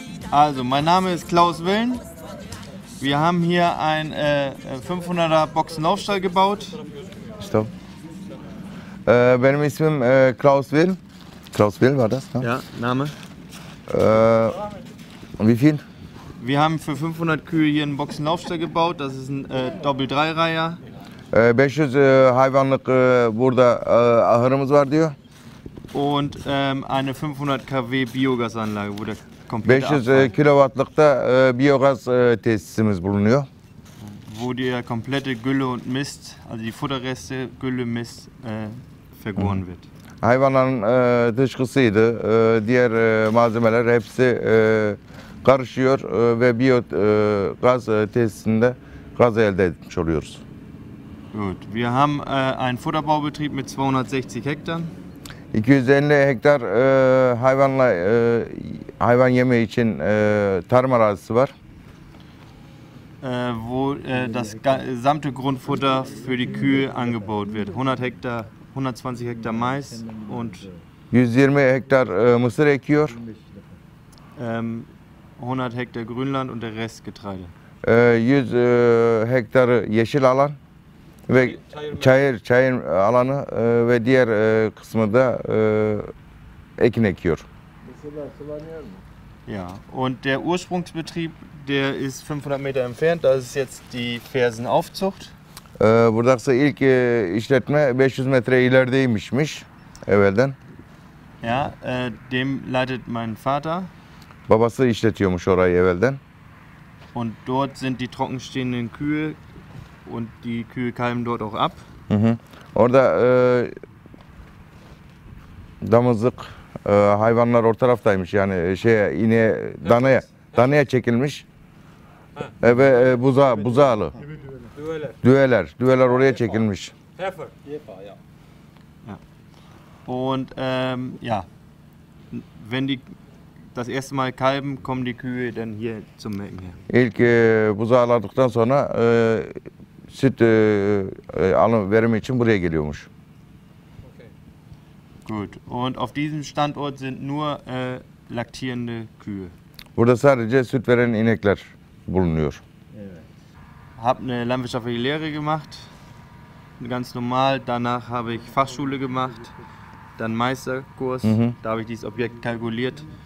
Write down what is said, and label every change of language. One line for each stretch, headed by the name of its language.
German: Also, mein Name ist Klaus Willen. Wir haben hier ein 500er Boxenlaufstall gebaut. Stopp. Mein Name ist Klaus Willen. Klaus Willen war das? Ja, ja, Name. Und wie viel? Wir haben für 500 Kühe hier einen Boxenlaufstall gebaut. Das ist ein Doppel-3-Reiher.
Turkish: 500 hayvanlık burada ahırımız var diyor.
German: Und eine 500 kW Biogasanlage, wo der komplette
Turkish: 500 kW'lık da Biogas tesisimiz bulunuyor.
German: Wo die komplette Gülle und Mist, also die Futterreste, Gülle, Mist vergoren wird.
Turkish: Hayvanların dışkısıydı. Diğer malzemeler hepsi karışıyor ve biyogaz tesisinde gaz elde etmiş oluyoruz.
German: Gut, wir haben einen Futterbaubetrieb mit 260 Hektar.
Turkish: 250 Hektar hayvanla hayvan yeme için tarım arazisi var.
German: Wo das gesamte Grundfutter für die Kühe angebaut wird. 100 Hektar, 120 Hektar Mais und
Turkish: 120 Hektar mısır ekiyor.
German: 100 Hektar Grünland und der Rest Getreide.
Turkish: 100 Hektar yeşil alan. Ve çayır alanı ve diğer kısmı da ekin ekiyor.
German: Ja, und der Ursprungsbetrieb, der ist 500 Meter entfernt, das ist jetzt die Fersenaufzucht.
Turkish: Buradaki ilk işletme 500 metre ilerideymişmiş evvelden.
German: Ja, dem leitet mein Vater.
Turkish: Babası işletiyormuş orayı evvelden.
German: Und dort sind die trockenstehenden Kühe. Und die Kühe kalben dort auch ab.
Turkish: Orada damızlık hayvanlar o taraftaymış. Yani ineğe, danaya çekilmiş. Ve buzağılı. Düveler. Düveler oraya çekilmiş.
German: Heifer. Ja. Und ja. Wenn die das erste Mal kalben, kommen die Kühe dann hier zum Melken her.
Turkish: İlk buzağıladıktan sonra süt alım verimi için buraya geliyormuş. Okay. Gut.
German: Und auf diesem Standort sind nur laktierende Kühe.
Turkish: Burada sadece süt veren inekler bulunuyor. Evet.
German: Hab eine landwirtschaftliche Lehre gemacht. Ganz normal. Danach habe ich Fachschule gemacht. Dann Meisterkurs. Da habe ich dieses Objekt kalkuliert.